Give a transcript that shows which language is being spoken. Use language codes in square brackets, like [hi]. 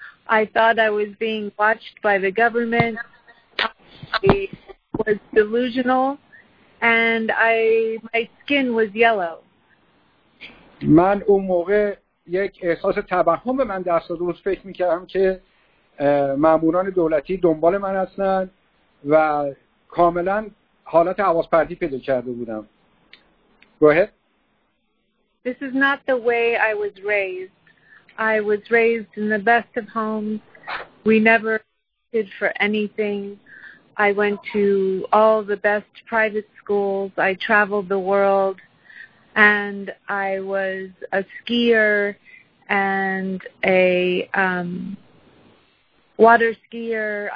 [en] I thought I was being watched by the government. I was delusional, and my skin was yellow. [fa] من اون موقع یک احساس توهم به من دست داد. روز فکر میکردم که ماموران دولتی دنبال من هستن و کاملا حالت حواس پرتی پیدا کرده بودم. [en] Go ahead. This is not the way I was raised. I was raised in the best of homes. We never did for anything. I went to all the best private schools. I traveled the world. And I was a skier and a water skier.